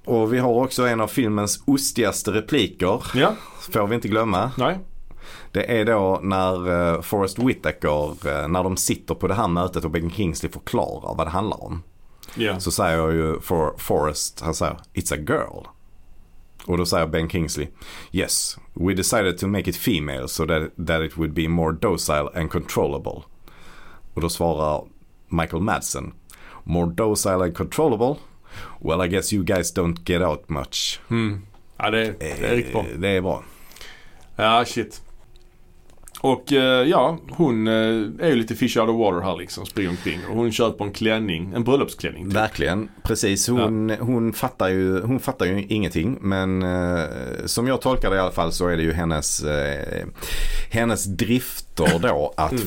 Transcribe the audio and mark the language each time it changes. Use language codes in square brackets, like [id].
[sv] Och vi har också en av filmens ostigaste repliker. Ja. Får vi inte glömma. Nej. Det är då när Forrest Whitaker, när de sitter på det här mötet och Ben Kingsley förklarar vad det handlar om. [en] Yeah. [sv] Så säger jag ju för Forrest, han säger, [en] it's a girl. [sv] Och då säger Ben Kingsley, [en] yes, we decided to make it female so that, that it would be more docile and controllable. [sv] Och då svarar Michael Madsen, [en] more docile and controllable? Well, I guess you guys don't get out much. [sv] Mm. Ja, det är riktigt bra. Det är bra. Ja, shit. Och ja, hon är ju lite [en] fish out of water [sv] här liksom, springer omkring. Och hon köper en klänning, en bröllopsklänning. Typ. Verkligen, precis. Hon, ja. Hon fattar ju ingenting. Men som jag tolkar det i alla fall så är det ju hennes, hennes drifter då att mm.